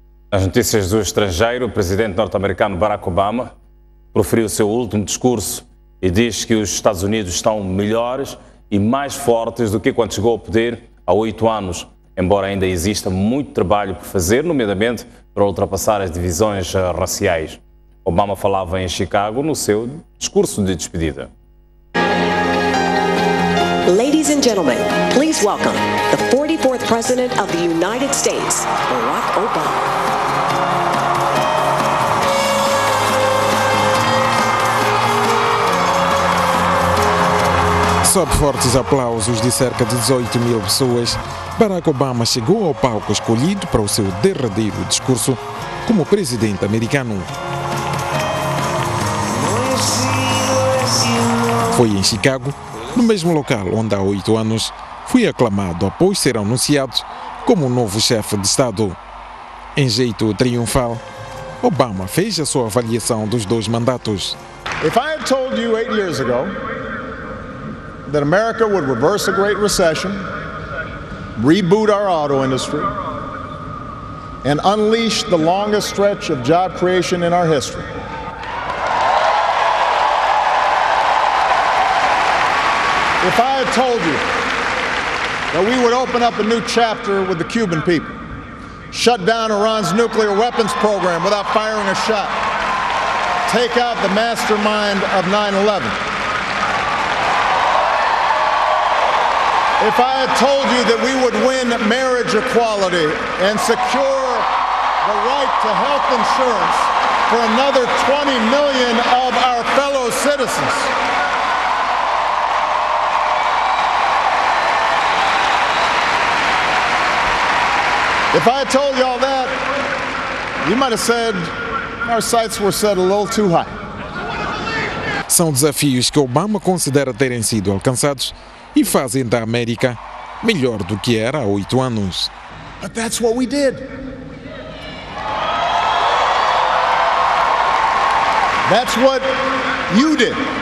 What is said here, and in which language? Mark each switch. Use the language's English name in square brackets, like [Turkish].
[Portuguese] Nas notícias do estrangeiro, o presidente norte-americano Barack Obama proferiu seu último discurso e diz que os Estados Unidos estão melhores e mais fortes do que quando chegou ao poder há 8 anos, embora ainda exista muito trabalho por fazer, nomeadamente para ultrapassar as divisões raciais. Obama falava em Chicago no seu discurso de despedida. [English] Ladies and gentlemen, please welcome the 44th President of the United States, Barack Obama. [Portuguese] Sob fortes aplausos de cerca de 18 mil pessoas, Barack Obama chegou ao palco escolhido para o seu derradeiro discurso como presidente americano. Foi em Chicago, no mesmo local onde há 8 anos foi aclamado após ser anunciado como novo chefe de Estado. Em jeito triunfal, Obama fez a sua avaliação dos 2 mandatos. [English] If I had told you 8 years ago that America would reverse a great recession, reboot our auto industry, and unleash the longest stretch of job creation in our history. If I had told you that we would open up a new chapter with the Cuban people, shut down Iran's nuclear weapons program without firing a shot, take out the mastermind of 9/11, if I had told you that we would win marriage equality and secure the right to health insurance for another 20 million of our fellow citizens, if I had told you all that, you might have said our sights were set a little too high. [Portuguese] São desafios que Obama considera terem sido alcançados e fazem da América melhor do que era há 8 anos. [English] But that's what we did. That's what you did.